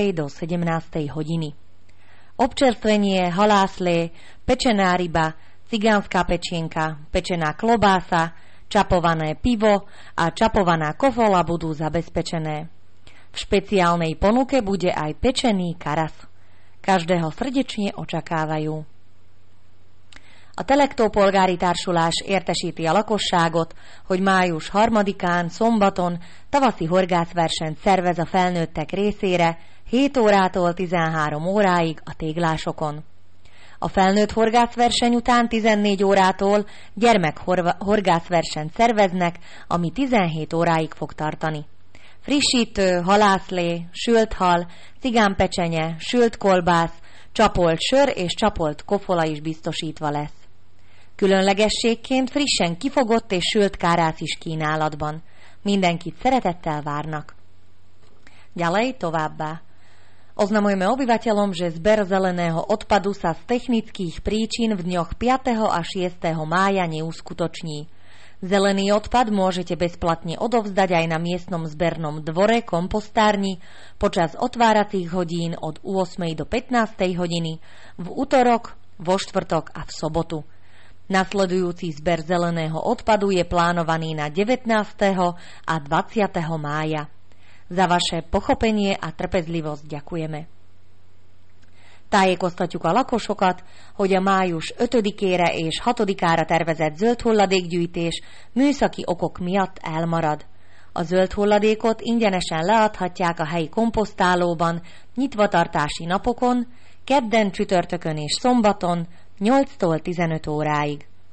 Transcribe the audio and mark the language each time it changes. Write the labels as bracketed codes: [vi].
[sk] do 17. hodiny. Občerstvenie, haláslie, pečená ryba, cigánska pečienka, pečená klobása, čapované pivo a čapovaná kofola budú zabezpečené. V špeciálnej ponuke bude aj pečený karas. Každého srdečne očakávajú. [hu] A Telektó polgári társulás értesíti a lakosságot, hogy május 3-án szombaton tavaszi horgászversenyt szervez a felnőttek részére 7 órától 13 óráig a téglásokon. A felnőtt horgászverseny után 14 órától gyermek horgászversenyt szerveznek, ami 17 óráig fog tartani. Frissítő, halászlé, sült hal, cigánpecsenye, sült kolbász, csapolt sör és csapolt kofola is biztosítva lesz. Különlegességként frissen kifogott és sült kárász is kínálatban. Mindenkit szeretettel várnak. [sk] Ďalej [hu] továbbá. [sk] Oznamujeme obyvateľom, že zber zeleného odpadu sa z technických príčin v dňoch 5. a 6. mája neuskutoční. Zelený odpad môžete bezplatne odovzdať aj na miestnom zbernom dvore kompostárni počas otváracích hodín od 8. do 15. hodiny v utorok, vo štvrtok a v sobotu. Nasledujúci zber zeleného odpadu je plánovaný na 19. a 20. mája. Za vaše pochopenie a trpezlivosť ďakujeme. [hu] Tájékoztatjuk a lakosokat, hogy a május 5-ére és 6-ára tervezett zöld hulladékgyűjtés műszaki okok miatt elmarad. A zöld hulladékot ingyenesen leadhatják a helyi komposztálóban nyitvatartási napokon, kedden, csütörtökön és szombaton, 8-tól 15 óráig.